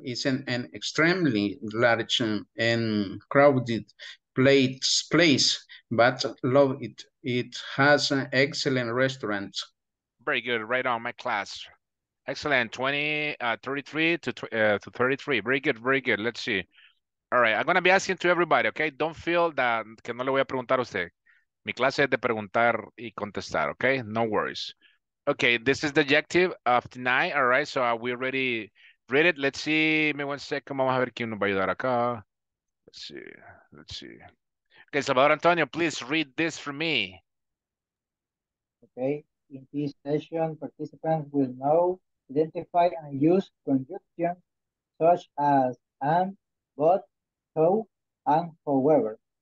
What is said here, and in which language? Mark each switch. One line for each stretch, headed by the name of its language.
English: It's an extremely large and crowded place, but love it. It has an excellent restaurant. Very good. Right on, my class. Excellent. 33. Very good. Very good. Let's see. All right. I'm going to be asking to everybody, okay? Don't feel that
Spanish: que no le voy a preguntar a usted. Mi clase es de preguntar y contestar, okay?
English: No worries. Okay, this is the objective of tonight. All right, so are we already read it? Let's see. Me one second.
Spanish: Vamos a ver quién nos va a ayudar acá.
English: Let's see. Okay, Salvador Antonio, please read this for me. Okay, in this session, participants will know, identify, and use conjunctions such as and, but, so, and, however.